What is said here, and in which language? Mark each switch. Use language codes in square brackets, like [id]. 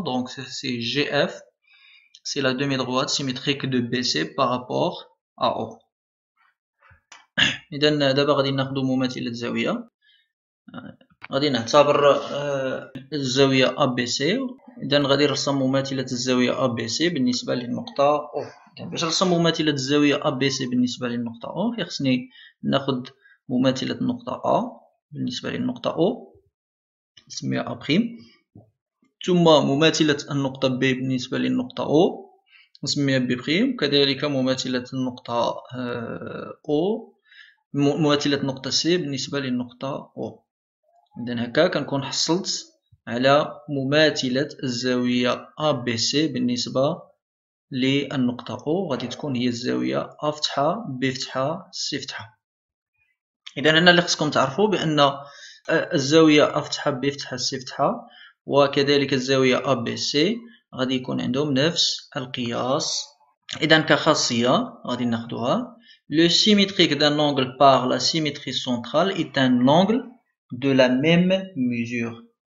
[fr] Donc, c'est GF, c'est la demi-droite symétrique de BC par rapport à O. [ar] إذن دابا غادي ناخدو مماثلة الزاوية، غادي نعتبر الزاوية ABC، إذن غادي نرسم مماثلة الزاوية ABC بالنسبة للنقطة O. باش نرسم مماثلة الزاوية ABC بالنسبة للنقطة O، خصني ناخد مماثلة النقطة A بالنسبة للنقطة O، نسميها A'، ثم مماثلة النقطة B بالنسبة للنقطة O، نسميها B'، كذلك مماثلة النقطة O. مماثلة نقطة C بالنسبة للنقطة O. إذن هكا كنكون حصلت على مماثلة الزاوية ABC بالنسبة للنقطة O، غادي تكون هي الزاوية A فتحة B فتحة C فتحة. إذن هنا اللي خصكم تعرفوا بأن الزاوية A فتحة B فتحة C فتحة وكذلك الزاوية ABC غادي يكون عندهم نفس القياس. إذن كخاصية غادي ناخدوها، [fr] le symétrique d'un angle par la symétrie centrale est un angle de la même mesure.